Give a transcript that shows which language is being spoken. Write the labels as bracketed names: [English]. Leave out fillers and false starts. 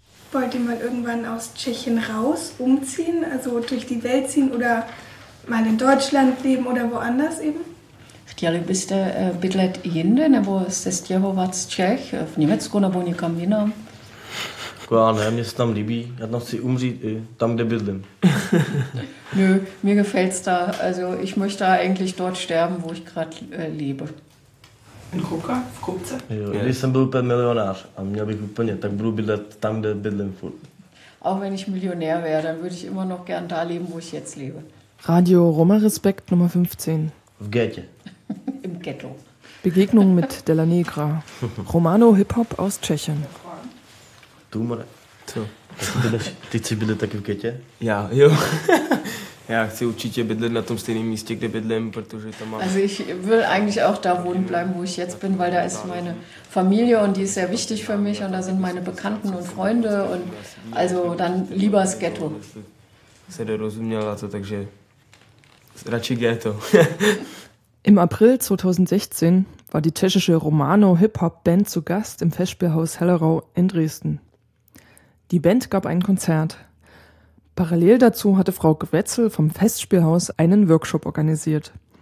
[German] Wollt ihr mal irgendwann aus Tschechien raus, umziehen, also durch die Welt ziehen oder mal in Deutschland leben oder woanders eben? [Czech] Chtěli byste bydlet jinde nebo se stěhovat z Čech v Německu nebo někam jinam? Já ne, mě se tam líbí, já tam chci umřít i tam, kde bydlím. [German] Nö, mir gefällt's da, also ich möchte eigentlich dort sterben, wo ich gerade lebe. In [Czech] Kupce? Jo, když jsem byl úplně milionář a měl bych úplně, tak budu bydlet tam, kde bydlím furt. [German] Auch wenn ich Millionär wäre, dann würde ich immer noch gern da leben, wo ich jetzt lebe. Radio Roma Respekt Nummer 15. [Czech] V Ghetto. [German] Im Ghetto. Begegnung mit Della Negra. Romano Hip-Hop aus Tschechien. Du, more. [Czech] Co? Ty chci bydlet taky v Ghetto? Já, jo. [German] Ja, ich will [Czech] určitě bydlet na tom stejném místě, kde bydlím, protože tam mám. [German] Also ich will eigentlich auch da wohnen bleiben, wo ich jetzt bin, weil da ist meine Familie und die ist sehr wichtig für mich und da sind meine Bekannten und Freunde und also dann lieber das Ghetto. [Czech] Se dorozuměla to, takže radši ghetto. [German] Im April 2016 war die tschechische Romano-Hip-Hop-Band zu Gast im Festspielhaus Hellerau in Dresden. Die Band gab ein Konzert. Parallel dazu hatte Frau Gwetzel vom Festspielhaus einen Workshop organisiert.